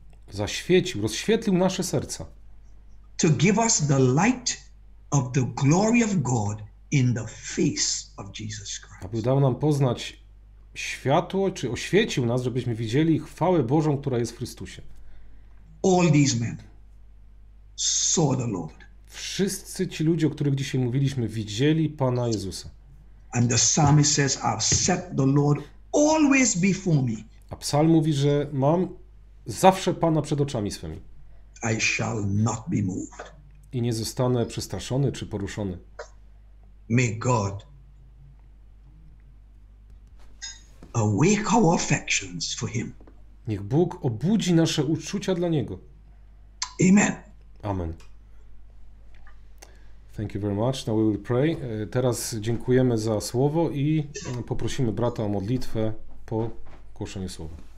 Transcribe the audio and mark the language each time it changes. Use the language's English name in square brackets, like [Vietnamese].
[Polish] zaświecił, rozświetlił nasze serca, [English] to give us the light of the glory of God in the face of Jesus Christ. [Polish] Aby dał nam poznać światło, czy oświecił nas, żebyśmy widzieli chwałę Bożą, która jest w Chrystusie. [English] All these men saw the Lord. [Polish] Wszyscy ci ludzie, o których dzisiaj mówiliśmy, widzieli Pana Jezusa. [English] And the psalmist says, I've set the Lord always before me. [Polish] A psalm mówi, że mam zawsze Pana przed oczami swymi. [English] I shall not be moved. [Polish] I nie zostanę przestraszony czy poruszony. [English] May God awake our affections for him. [Polish] Niech Bóg obudzi nasze uczucia dla Niego. [English] Amen. [Polish] Amen. [English] Thank you very much. Now we will pray. [Polish] Teraz dziękujemy za słowo i poprosimy brata o modlitwę po głoszeniu słowa.